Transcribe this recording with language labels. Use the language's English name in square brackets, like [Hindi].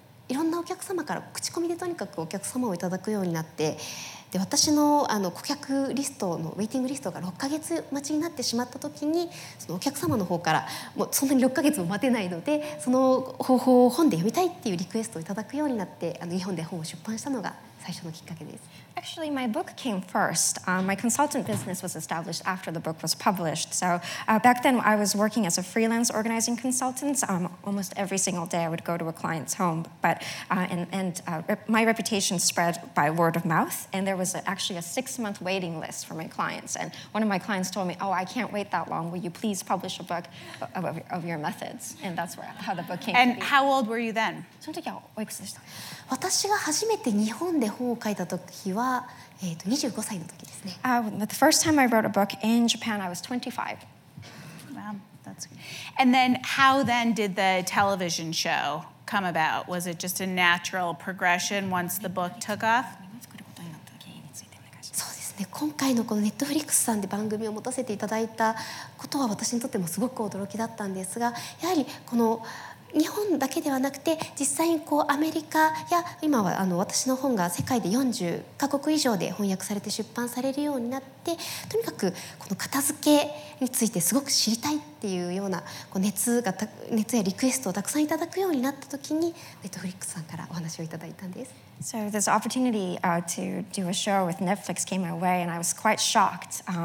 [Japanese] いろんなお客様から口コミでとにかくお客様をいただくようになって、で私 の, 顧客リストのウェイティングリストが6ヶ月待ちになってしまった時にそのお客様の方からもうそんなに6ヶ月も待てないのでその方法を本で読みたいっていうリクエストをいただくようになって日本で本を出版したのが最初のきっかけです。 [English] Actually, my book came first. My consultant business was established after the book was published. So back then, I was working as a freelance organizing consultant. Almost every single day, I would go to a client's home. But my reputation spread by word of mouth. And there was actually a six-month waiting list for my clients. And one of my clients told me, oh, I can't wait that long. Will you please publish a book of your methods? And that's how the book came And to be. How old were you then? [Japanese] その時はおいくつでした私が初めて日本で本を書いた時は25歳の時ですね。 [English] The first time I wrote a book in Japan, I was 25. Wow, that's good. And then how then did the television show come about? Was it just a natural progression once the book took off? [Japanese] そうですね。今回のこの Netflix さんで番組を持たせていただいたことは私にとってもすごく驚きだったんですが、やはりこの日本だけではなくて実際にこうアメリカや今は私の本が世界で40カ国以上で翻訳されて出版されるようになってとにかくこの片付けについてすごく知りたいっていうようなこう熱やリクエストをたくさんいただくようになった時にネットフリックスさんからお話をいただいたんです。 [English] So this opportunity to do a show with Netflix came my way and I was quite shocked.